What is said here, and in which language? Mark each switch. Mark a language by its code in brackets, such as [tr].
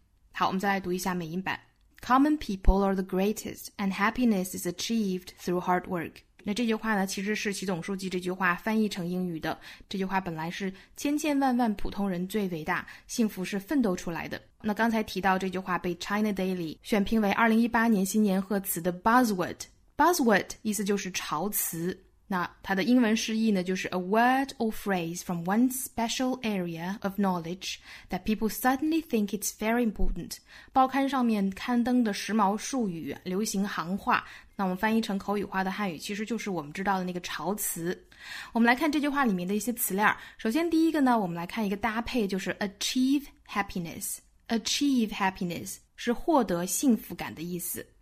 [zh] 好，我们再来读一下美音版。 [en] Common people are the greatest, and happiness is achieved through hard work. [zh] 那这句话呢，其实是习总书记这句话翻译成英语的。这句话本来是千千万万普通人最伟大，幸福是奋斗出来的。那刚才提到这句话被 China Daily 选评为2018年新年贺词的 buzzword。 buzzword 意思就是潮词。那它的英文释义呢，就是 [en] a word or phrase from one special area of knowledge that people suddenly think it's very important. [zh] 报刊上面刊登的时髦术语、流行行话，那我们翻译成口语化的汉语，其实就是我们知道的那个潮词。我们来看这句话里面的一些词链。首先第一个呢，我们来看一个搭配，就是 achieve happiness。 achieve happiness 是获得幸福感的意思。